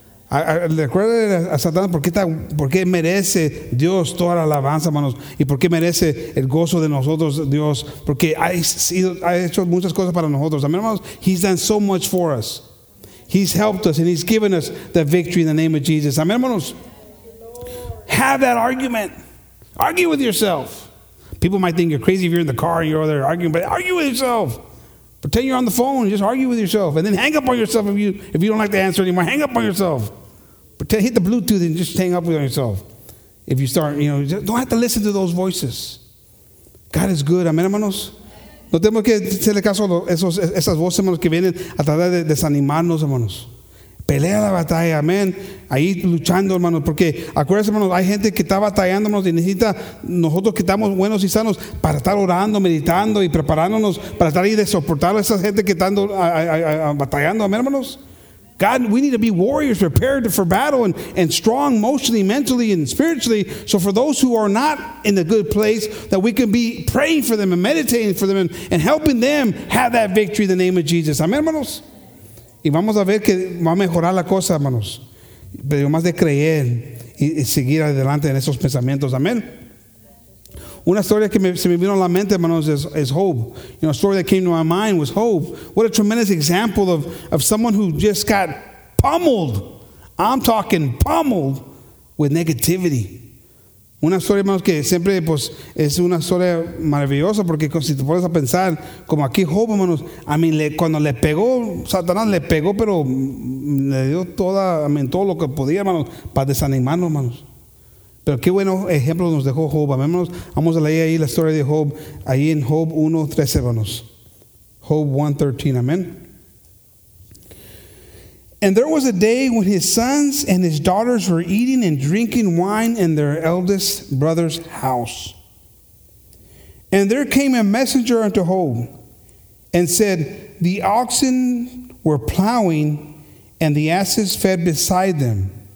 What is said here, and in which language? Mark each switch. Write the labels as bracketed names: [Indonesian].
[Spanish] Recuerda a Satanás por qué merece Dios toda la alabanza, hermanos, y por qué merece el gozo de nosotros, Dios, porque ha hecho muchas cosas para nosotros. Amén, hermanos. [English] He's done so much for us. He's helped us and he's given us the victory in the name of Jesus. [Spanish] Amén, hermanos. [English] Have that argument. Argue with yourself. People might think you're crazy if you're in the car and you're there arguing, but argue with yourself. Pretend you're on the phone. Just argue with yourself. And then hang up on yourself if you don't like the answer anymore. Hang up on yourself. Pretend, hit the Bluetooth and just hang up on yourself. If you start, you know, just don't have to listen to those voices. God is good. [Spanish] Amen, hermanos. No tenemos que hacerle caso a esas voces, hermanos, que vienen a tratar de desanimarnos, hermanos. Pelea la batalla, amén. Ahí luchando, hermanos, porque acuérdense, hermanos, hay gente que está batallando, hermanos, y necesita nosotros que estamos buenos y sanos para estar orando, meditando y preparándonos para estar ahí de soportar a esa gente que está batallando, amén, hermanos. [English] God, we need to be warriors prepared for battle and strong emotionally, mentally, and spiritually. So for those who are not in a good place, that we can be praying for them and meditating for them and helping them have that victory in the name of Jesus. [Spanish] Amén, hermanos. Y vamos a ver que va a mejorar la cosa, hermanos. Pero más de creer y seguir adelante en esos pensamientos. Amén. Una historia que se me vino a la mente, hermanos, es Hope. [English] You know, a story that came to my mind was Hope. What a tremendous example of someone who just got pummeled. I'm talking pummeled with negativity. [Spanish] Una historia, hermanos, que siempre pues es una historia maravillosa, porque si te pones a pensar, como aquí Job, hermanos, a mí cuando le pegó Satanás, le pegó, pero le dio toda, todo lo que podía, hermanos, para desanimarnos, hermanos. Pero qué bueno ejemplo nos dejó Job, hermanos. Vamos a leer ahí la historia de Job, ahí en Job 1:13, hermanos. Job 1:13, amén. [English] And there was a day when his sons and his daughters were eating and drinking wine in their eldest brother's house. And there came a messenger unto Job and said, the oxen were plowing and the asses fed beside them.